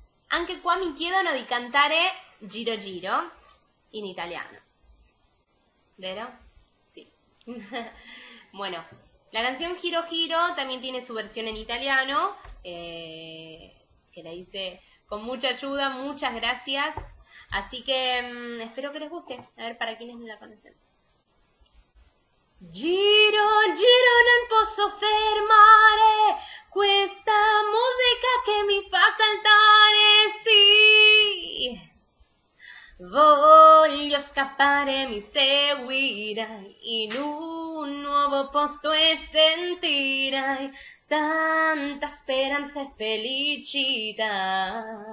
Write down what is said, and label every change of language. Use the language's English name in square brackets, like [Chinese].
[Italian] Anche qua mi chiedono di cantare Giro Giro in italiano. [Spanish] ¿Vero? Sí. Bueno, la canción Giro Giro también tiene su versión en italiano, que la hice con mucha ayuda, muchas gracias. Así que espero que les guste. A ver, para quienes no la conocen. [Italian] Giro, giro, non posso fermare questa musica che mi fa saltare, sì. Voglio scappare, mi seguirai in un nuovo posto e sentirai tanta speranza e felicità.